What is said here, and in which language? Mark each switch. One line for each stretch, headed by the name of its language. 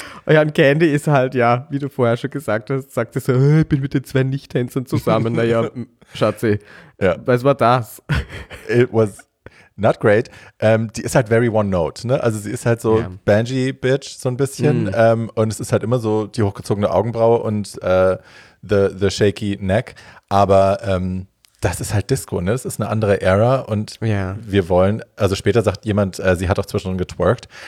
German: Ja, und Candy ist halt, ja, wie du vorher schon gesagt hast, sagt sie so, ich bin mit den zwei Nicht-Tänzern zusammen. Naja, Schatzi, was war das?
English: It was... Not great.
German: Die ist halt
English: very one note,
German: ne? Also sie ist halt so Banshee-Bitch so ein bisschen. Mm. Und es ist halt immer so die hochgezogene Augenbraue und
English: the shaky neck.
German: Aber das ist halt Disco, ne? Das ist eine andere Era. Und wir wollen, also später sagt jemand, sie hat auch zwischendurch getwerkt.